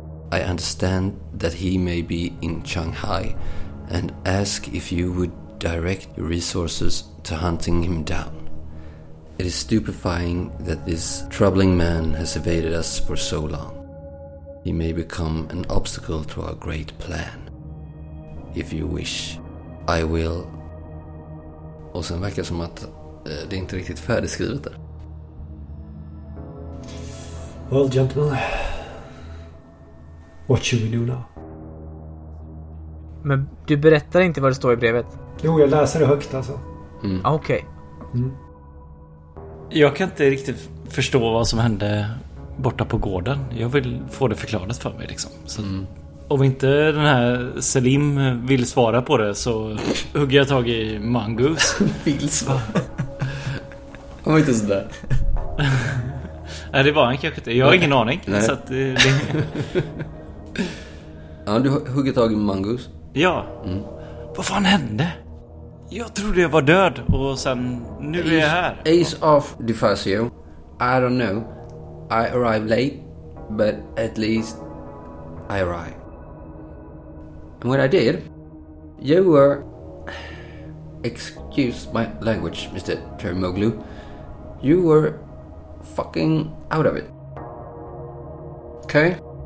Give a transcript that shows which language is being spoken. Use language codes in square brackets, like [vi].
[en] I understand that he may be in Shanghai and ask if you would direct your resources to hunting him down. It is stupefying that this troubling man has evaded us for so long. He may become an obstacle to our great plan. If you wish, I will. [sv] Och sen verkar som att det är inte riktigt färdigskrivet där. [en] Well, gentlemen, what should we do now? [sv] Men du berättar inte vad det står i brevet. Jo, jag läser det högt alltså. Okej. Jag kan inte riktigt förstå vad som hände borta på gården. Jag vill få det förklarat för mig liksom. Så om inte den här Selim vill svara på det så hugger jag tag i Mongoose. Vill svara? Han var inte sådär. Nej, det var han kanske inte. Jag har ingen aning. Så att det... Ja, du hugger tag i Mongoose. Ja. Vad fan hände? Jag trodde jag var död och sen nu Ace, är jag här. [en] Ace of Defacio. I don't know. I arrived late, but at least I arrived. And what I did, you were, excuse my language, Mr. Tarnoglu, you were fucking out of it. Okay?